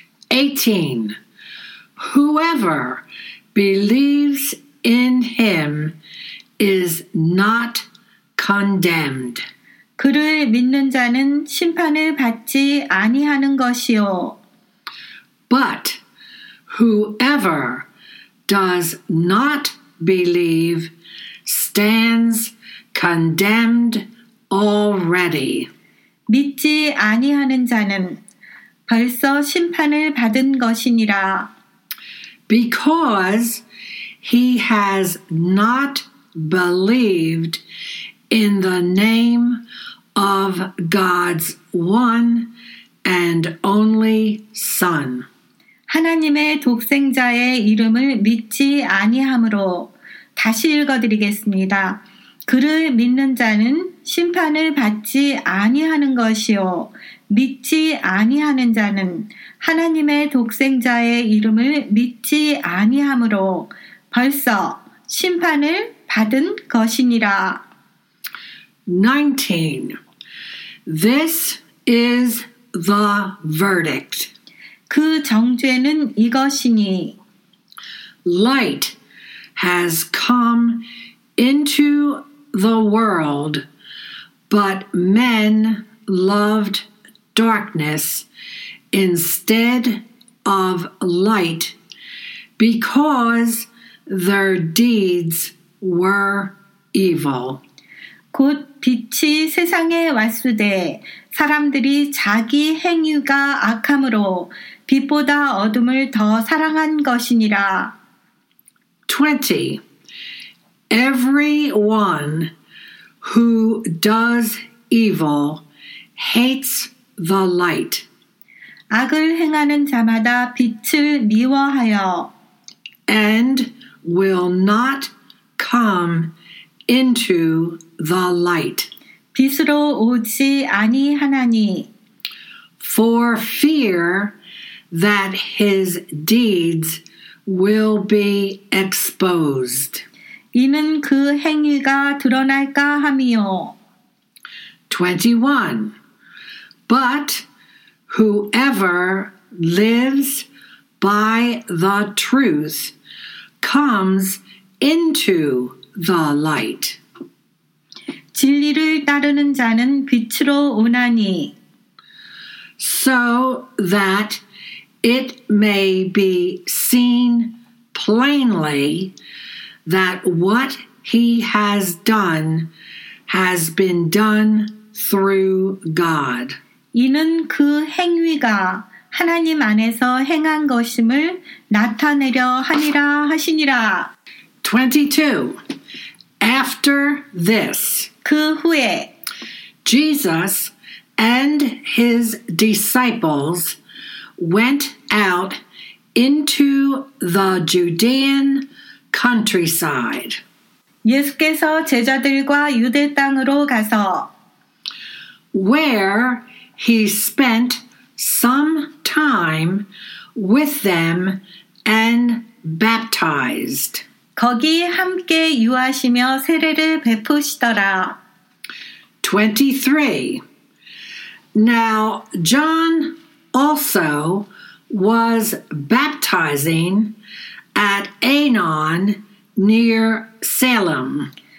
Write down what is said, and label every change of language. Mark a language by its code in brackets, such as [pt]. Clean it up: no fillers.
[en] 18. Whoever believes in him is not condemned. [ko] 그를 믿는 자는 심판을 받지 아니하는 것이요. [en] But whoever does not believe stands condemned already. [ko] 믿지 아니하는 자는 벌써 심판을 받은 것이니라. [en] Because he has not believed in the name of God's one and only Son. [ko] 하나님의 독생자의 이름을 믿지 아니하므로 다시 읽어드리겠습니다. 그를 믿는 자는 심판을 받지 아니하는 것이요. 믿지 아니하는 자는 하나님의 독생자의 이름을 믿지 아니하므로 벌써 심판을 받은 것이니라. [en] 19. This is the verdict. [ko] 그 정죄는 이것이니. [en] Light has come into the world, but men loved darkness instead of light because their deeds were evil. [ko] 곧 빛이 세상에 왔으되 사람들이 자기 행위가 악함으로 빛보다 어둠을 더 사랑한 것이니라. [en] 20. Everyone who does evil hates the light. [ko] 악을 행하는 자마다 빛을 미워하여 [en] and will not come into the light. [ko] 빛으로 오지 아니하나니. [en] For fear that his deeds will be exposed. [ko] 이는 그 행위가 드러날까 함이요. [en] 21. But whoever lives by the truth comes into the light. [ko] 진리를 따르는 자는 빛으로 오나니. [en] So that it may be seen plainly that what he has done has been done through God. [ko] 이는 그 행위가 하나님 안에서 행한 것임을 나타내려 하니라 하시니라. [en] 22. 22. After this, [ko] 그 후에, [en] Jesus and his disciples went out into the Judean countryside. [ko] 예수께서 제자들과 유대 땅으로 가서, [en] where he spent some time with them and baptized. [ko] 거기 함께 유하시며 세례를 베푸시더라. [en] 23. Now John also was baptizing at Aenon near Salem.